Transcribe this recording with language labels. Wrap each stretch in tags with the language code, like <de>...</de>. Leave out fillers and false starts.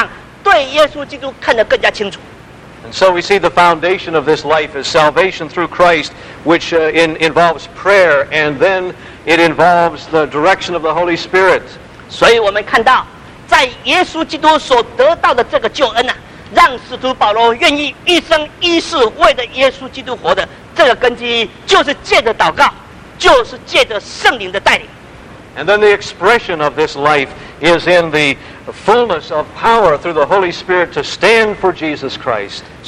<zh>他所做的什么，他的言行，他整个的人的生活，人家看着他，就可以在他身上对耶稣基督看得更加清楚。</zh> <en>And so we see the foundation of this life is salvation through Christ, which involves prayer, and then it involves the direction of the Holy Spirit.</en> <zh>所以我们看到，在耶稣基督所得到的这个救恩呢，让使徒保罗愿意一生一世为着耶稣基督活的，这个根基就是借着祷告。</zh> <en>And then the expression of this life is in the fullness of power through the Holy Spirit to stand for Jesus Christ.</en>